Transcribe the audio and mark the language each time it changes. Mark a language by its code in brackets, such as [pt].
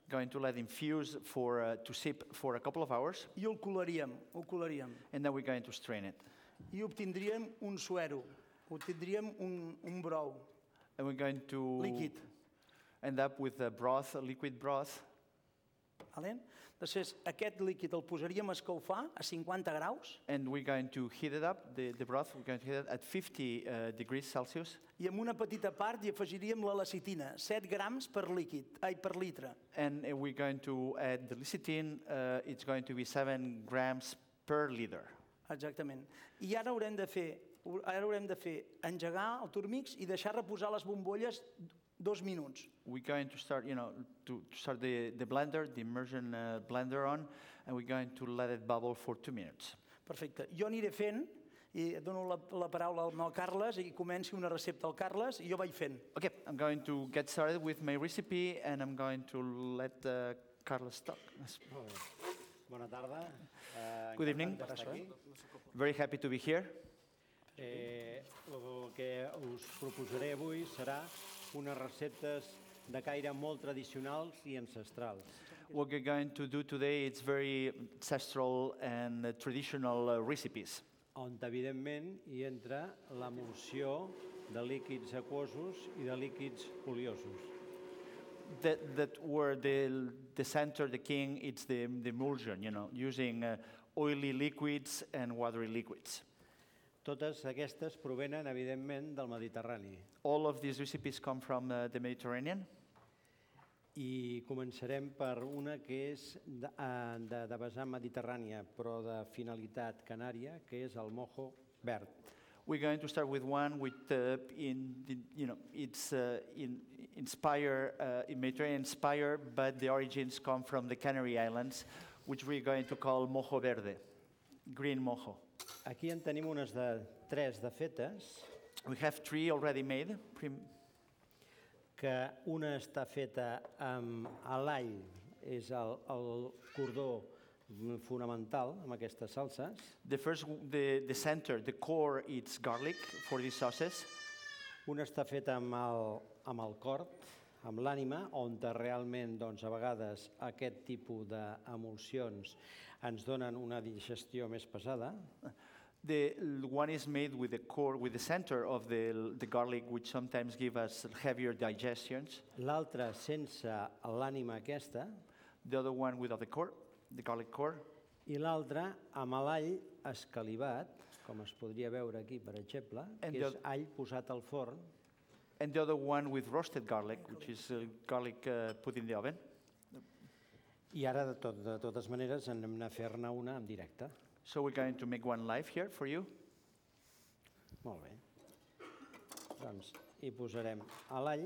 [en] Going to let infuse for to sip for a couple of hours. [ca] I ho colaríem. [en] And then we're going to strain it. [ca] I obtindríem un suero. Obtindríem un brou. [en] And we're going to [ca] líquid. [en] End up with a broth, a liquid broth. [ca] Valent. Després, aquest líquid el posaríem a escalfar a 50 graus. [en] And we're going to heat it up, the broth, we're going to heat it at 50 degrees Celsius. [ca] I amb una petita part hi afegiríem la lecitina, 7 grams per litre. [en] And we're going to add the lecitin, it's going to be 7 grams per liter. [ca] Exactament. I ara haurem de fer engegar el turmix i deixar reposar les bombolles 2 minuts. [en] We're going to start, start the blender, the immersion blender on, and we're going to let it bubble for 2 minutes. [ca] Perfecte. Jo aniré fent, i dono la paraula al Carles, i comenci una recepta al Carles, i jo vaig fent. [en] Okay, I'm going to get started with my recipe, and I'm going to let Carles talk. [ca] Bona tarda. [en] Good evening. Very happy to be here. [ca] El que us proposaré avui serà unes receptes de caire molt tradicionals i ancestrals. [en] What we're going to do today is very ancestral and traditional recipes. [ca] On evidentment hi entra l'emulsió de líquids aquosos i de líquids oliosos. [en] That were the center, the king, it's the emulsion, using oily liquids and watery liquids. [ca] Totes aquestes provenen, evidentment, del Mediterrani. [en] All of these recipes come from the Mediterranean. [ca] I començarem per una que és de vessant mediterrània, però de finalitat canària, que és el mojo verd. [en] We're going to start with one with, it's Mediterranean inspired, but the origins come from the Canary Islands, which we're going to call mojo verde, green mojo. [ca] Aquí en tenim unes de 3 de fetes. [en] We have 3 already made. [ca] Que una està feta amb l'all, és el cordó fonamental amb aquestes salses. [en] The first, the center, the core, it's garlic for these sauces. [ca] Una està feta amb el cor, amb l'ànima, on realment, doncs, a vegades aquest tipus d'emulsions ens donen una digestió més pesada. [en] The one is made with the core, with the center of the garlic, which sometimes give us heavier digestions. [ca] L'altra sense l'ànima aquesta. [en] The other one without the core, the garlic core. [ca] I l'altre amb l'all escalivat, com es podria veure aquí, per exemple, que és all posat al forn. [en] And the other one with roasted garlic, which is garlic put in the oven. [ca] I ara, de totes maneres, anem a fer-ne una en directe. [en] So we're going to make one live here for you. [ca] Molt bé. Doncs hi posarem l'all.